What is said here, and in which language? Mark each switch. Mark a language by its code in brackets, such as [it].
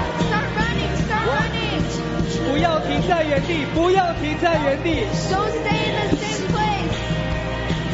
[en] Start running! Start running! [zh] 不要停在原地，不要停在原地。 [en] Don't stay in the same place.